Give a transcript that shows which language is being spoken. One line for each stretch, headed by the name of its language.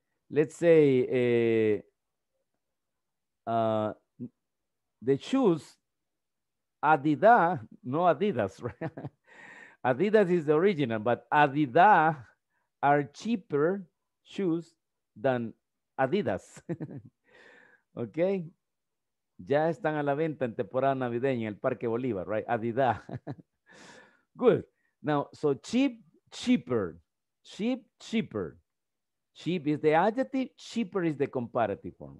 English: Let's say the shoes Adidas is the original, but Adidas are cheaper shoes than Adidas.
Spanish: Okay, ya están a la venta en temporada navideña en el Parque Bolívar, right?
English: Adidas. Good. Now, so cheaper. Cheap is the adjective, cheaper is the comparative form.